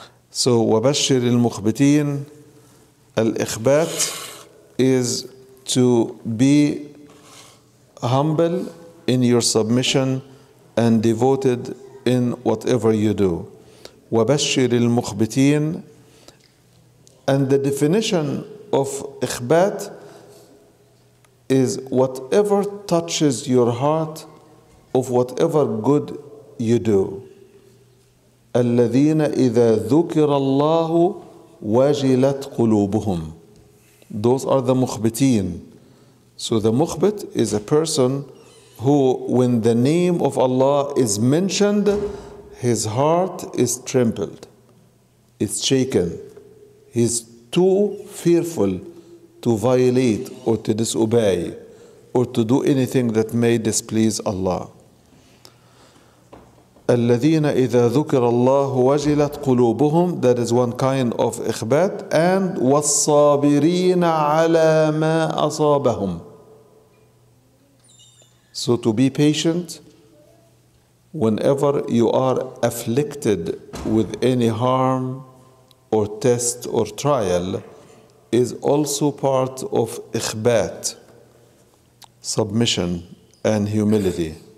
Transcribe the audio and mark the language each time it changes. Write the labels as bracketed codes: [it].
[en] So [ar] وبشر المخبتين, [en] الإخبات is to be humble in your submission and devoted in whatever you do. [ar] وبشر المخبتين. [en] And the definition of إخبات is whatever touches your heart of whatever good you do. [ar] الذين إذا ذكر الله وجلت قلوبهم. [en] Those are the مخبتين. So the مخبت is a person who, when the name of Allah is mentioned, his heart is trembled, it's shaken. He's too fearful to violate or to disobey or to do anything that may displease Allah. [ar] الذين إذا ذكر الله وجلت قلوبهم, [en] that is one kind of [ar] إخبات. And والصابرين على ما أصابهم. [en] So to be patient whenever you are afflicted with any harm or test or trial is also part of إخبات, submission and humility.